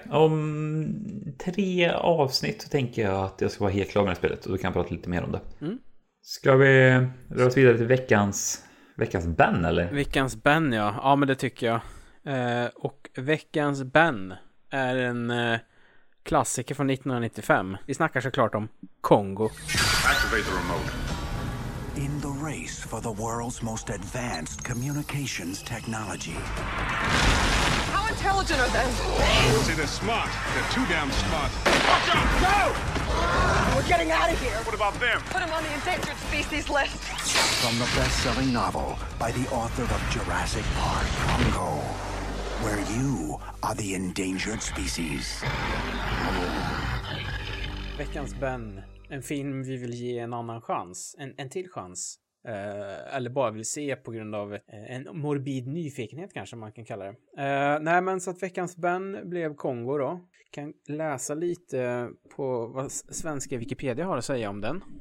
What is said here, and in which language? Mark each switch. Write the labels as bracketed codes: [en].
[sv] Om 3 avsnitt så tänker jag att jag ska vara helt klar med det spelet, och då kan jag prata lite mer om det. Mm. Ska vi röra oss vidare till veckans ben, eller? Veckans ben, ja. Ja, men det tycker jag. Och veckans ben är en klassiker från 1995. Vi snackar såklart om Kongo. [en] Activate the remote. In the race for the world's most advanced communications technology. How intelligent are they? I'd say they're smart. They're too damn smart. Watch out! No! We're getting out of here. What about them? Put them on the endangered species list. From the best-selling novel by the author of Jurassic Park, Congo, where you are the endangered species. [sv] Veckans Ben. En film vi vill ge en annan chans, en till chans, eller bara vill se på grund av en morbid nyfikenhet kanske man kan kalla det. Nej, men så att veckans Ben blev Kongo då. Kan läsa lite på vad svenska Wikipedia har att säga om den.